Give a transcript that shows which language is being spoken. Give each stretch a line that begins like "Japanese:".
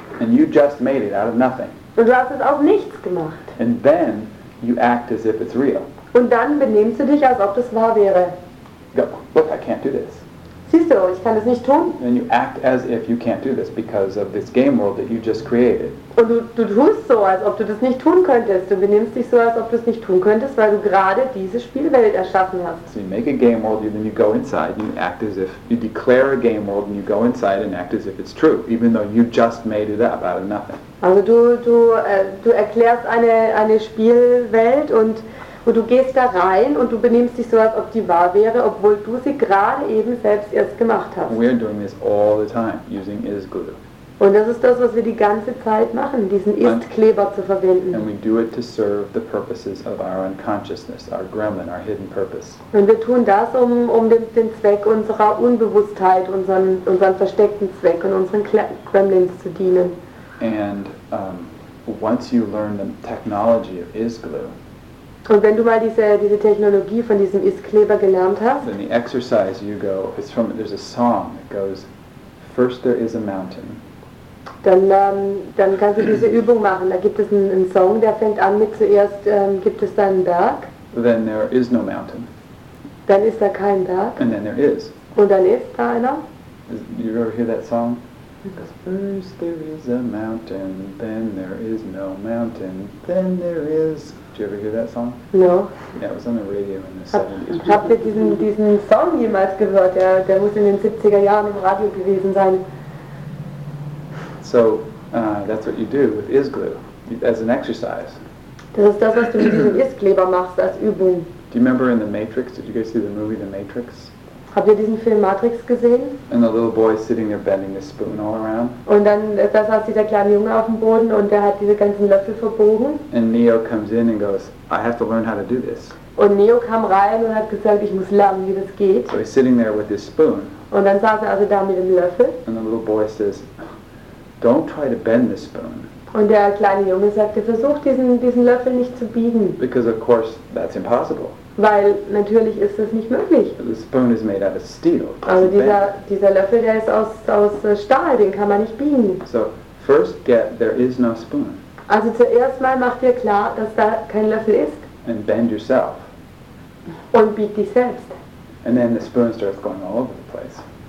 English: And you just made it out of nothing.
German: Und du hast es aus nichts gemacht.
English: And then you act as if it's real.
German: Und dann benimmst du dich, als ob das wahr wäre.
English: Go, look, I can't do this.
German: Siehst du, ich kann das nicht tun.
English: And you act as if you can't do this because of this game world that you just created.
German: Und du tust so, als ob du das nicht tun könntest. Du benimmst dich so, als ob du es nicht tun könntest, weil du gerade diese Spielwelt erschaffen hast.
English: So you make a game world, then you go inside and you act as if you declare a game world and you go inside and act as if it's true, even though you just made it up out of nothing.
German: Also du erklärst eine Spielwelt und du gehst da rein und du benimmst dich so, als ob die wahr wäre, obwohl du sie gerade eben selbst erst gemacht hast.
English: We are doing this all the time, using is-glue.
German: Und das ist das, was wir die ganze Zeit machen, diesen Ist-Kleber zu verwenden.
English: And we do it to serve the purposes of our unconsciousness, our gremlin, our hidden purpose.
German: Und wir tun das, um den Zweck unserer Unbewusstheit, unseren versteckten Zweck und unseren Gremlins zu dienen.
English: And once you learn the technology of is-glue,
German: und wenn du mal diese Technologie von diesem Ist-Kleber gelernt hast,
English: then the exercise you go, it's from, there's a song that goes, first there is a mountain.
German: Dann kannst du diese Übung machen. Da gibt es einen Song, der fängt an mit zuerst gibt es da einen Berg.
English: Then there is no mountain.
German: Dann ist da kein Berg.
English: And then there is.
German: Und dann ist da einer.
English: Do you ever hear that song? Because first there is a mountain, then there is no mountain, then there is. Did you ever hear that song? No. Yeah, it was on the radio in the 70s.
German: Habt ihr diesen Song jemals gehört? Der muss in den 70er Jahren im Radio gewesen sein.
English: So, that's what you do with is-glue, as an exercise.
German: Das ist das, was du mit diesem Ist-Kleber machst, als Übung.
English: Do you remember in The Matrix? Did you guys see the movie The Matrix?
German: Habt ihr diesen Film Matrix gesehen?
English: And the little boy sitting there bending the spoon all around.
German: Und dann da saß dieser kleine Junge auf dem Boden und der hat diese ganzen Löffel verbogen.
English: And Neo comes in and goes, I have to learn how to do this.
German: Und Neo kam rein und hat gesagt, ich muss lernen, wie das geht.
English: So he's sitting there with his spoon.
German: Und dann saß also da mit dem Löffel.
English: And the little boy says, don't try to bend the spoon.
German: Und der kleine Junge sagte, versuch diesen Löffel nicht zu biegen.
English: Because of course that's impossible.
German: Weil natürlich ist es nicht möglich.
English: The spoon is made out of steel.
German: Also dieser Löffel, der ist aus Stahl, den kann man nicht biegen.
English: So first get there is no spoon.
German: Also zuerst mal mach dir klar, dass da kein Löffel ist.
English: And bend yourself.
German: Und bieg dich selbst.
English: And then the spoon starts going all over the place.